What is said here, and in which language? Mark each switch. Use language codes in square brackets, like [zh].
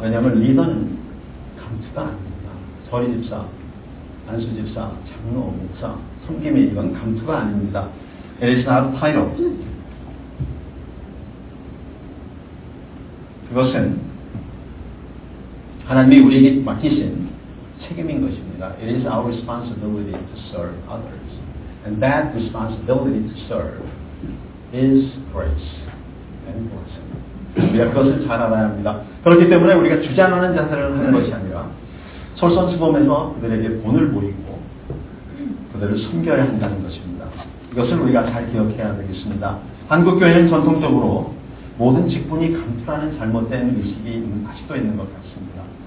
[ko] 왜냐하면 리더는 감투가 아닙니다. 서리 집사, 안수 집사, 장로, 목사, 섬김이 이건 감투가 아닙니다. [en] It is not a title. [ko] 그것은 하나님이 우리에게 맡기신 책임인 것입니다. [en] It is our responsibility to serve others. And that responsibility to serve is grace and blessing. [ko] 우리가 그것을 잘 알아야 합니다. 그렇기 때문에 우리가 주장하는 자세를 하는 것이 아니라 솔선수범해서 그들에게 본을 보이고 그들을 섬겨야 한다는 것입니다. 이것을 우리가 잘 기억해야 되겠습니다. 한국교회는 전통적으로 모든 직분이 감투라는 잘못된 의식이 아직도 있는 것 같습니다.